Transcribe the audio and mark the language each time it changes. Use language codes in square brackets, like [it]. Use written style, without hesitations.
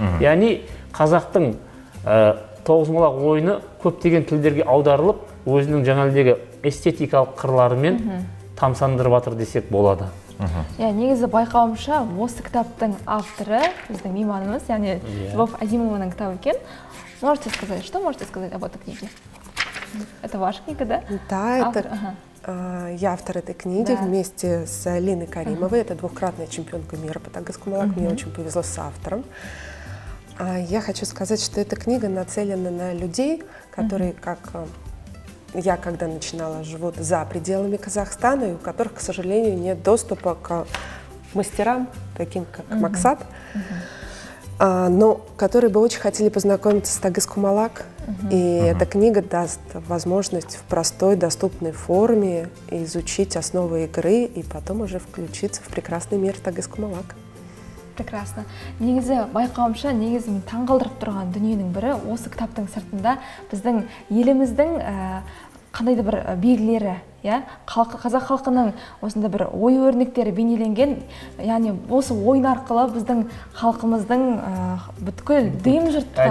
[kk] Яғни қазақтың тоғызмалақ ойыны көптеген тілдерге аударылып, өзінің жаңалдегі эстетикалық қырларымен тамсандырып атыр десек болады. Иә, негізі байқауымша осы кітаптың авторы біздің мейманымыз, яғни Любовь Азимованың кітабы екен. [ru] Можете сказать, что можете сказать об этой книге? Это ваша книга, да? Да, это я автор этой книги вместе с Линой Каримовой. Это двукратная чемпионка мира по тагаскумалак. Мне очень повезло с автором. Я хочу сказать, что эта книга нацелена на людей, которые, как я когда начинала, живут за пределами Казахстана, и у которых, к сожалению, нет доступа к мастерам, таким как Максат. Но которые бы очень хотели познакомиться с тагаскумалак. И эта книга даст возможность в простой, доступной форме изучить основы игры и потом уже включиться в прекрасный мир тагаскумалак. Прекрасно. [kk] Негізі байқауымша, негізі мен таңғалдырып тұрған дүниенің бірі осы кітаптың сыртында біздің еліміздің қандай да бір белгілері, иә, қазақ халқының осында бір ой өрнектері бейнеленген, яғни осы ойын арқылы біздің халқымыздың бүткіл дүйім жұртқа